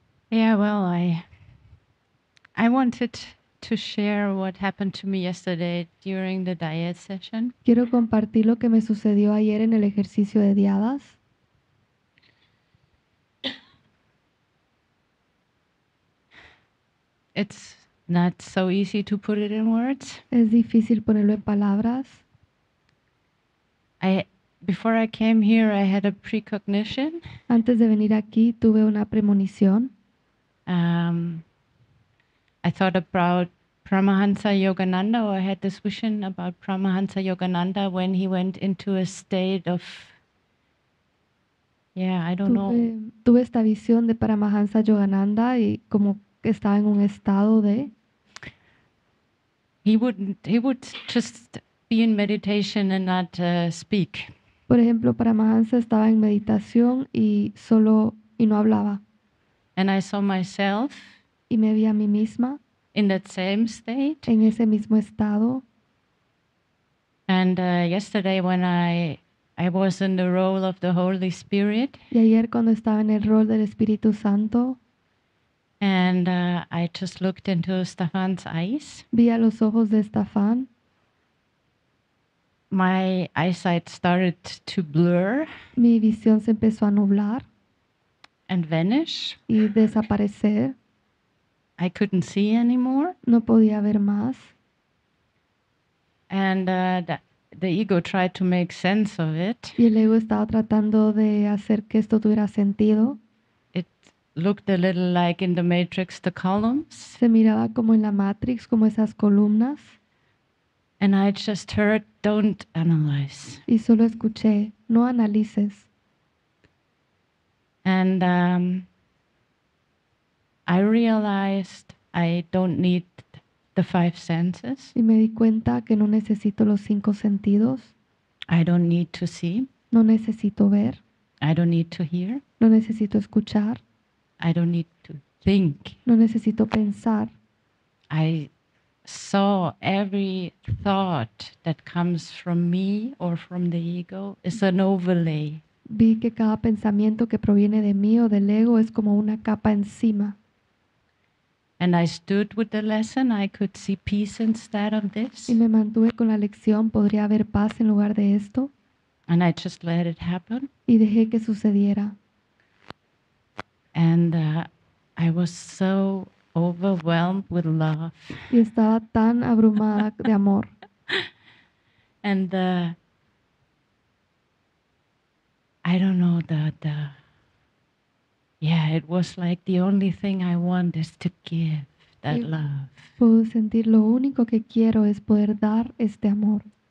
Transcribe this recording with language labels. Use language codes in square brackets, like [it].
[en] Yeah, well, I wanted to share what happened to me yesterday during the diet session. [es] Quiero compartir lo que me sucedió ayer en el ejercicio de dietas. [en] It's not so easy to put it in words. [es] Es difícil ponerlo en palabras. [en] Before I came here, I had a precognition. [es] Antes de venir aquí, tuve una premonición. [en] I thought about Paramahansa Yogananda, or I had this vision about Paramahansa Yogananda when he went into a state of, yeah, I don't know. [es] Tuve esta visión de Paramahansa Yogananda y como que estaba en un estado de. [en] He would just be in meditation and not speak. [es] Por ejemplo, Paramahansa estaba en meditación y solo y no hablaba. [en] And I saw myself. [es] Y me vi a mí misma. [en] In that same state. [es] En ese mismo estado. [en] And yesterday when I was in the role of the Holy Spirit. [es] Y ayer cuando estaba en el rol del Espíritu Santo. [en] And I just looked into Stefan's eyes. [es] Vi a los ojos de Stefan. [en] My eyesight started to blur. [es] Mi visión se empezó a nublar. [en] And vanish. [es] Y desaparecer. [en] I couldn't see anymore. [es] No podía ver más. [en] And the ego tried to make sense of it. [es] Y el ego estaba tratando de hacer que esto tuviera sentido. [en] It looked a little like in the Matrix, the columns. [es] Se miraba como en la Matrix, como esas columnas. [en] And I just heard, don't analyze. [es] Y solo escuché, no analices. [en] And I realized I don't need the five senses. [es] Y me di cuenta que no necesito los cinco sentidos. [en] I don't need to see. [es] No necesito ver. [en] I don't need to hear. [es] No necesito escuchar. [en] I don't need to think. [es] No necesito pensar. [en] I saw every thought that comes from me or from the ego is an overlay. [es] Vi que cada pensamiento que proviene de mí o del ego es como una capa encima. [en] And I stood with the lesson, I could see peace instead of this. [es] Y me mantuve con la lección, podría haber paz en lugar de esto. [en] And I just let it happen. [es] Y dejé que sucediera. [en] And I was so overwhelmed with love. [es] Y estaba tan abrumada de amor. [en] And I don't know the yeah, it was like the only thing I want is to give that love. [es] Puedo sentir lo único que quiero es poder dar este amor.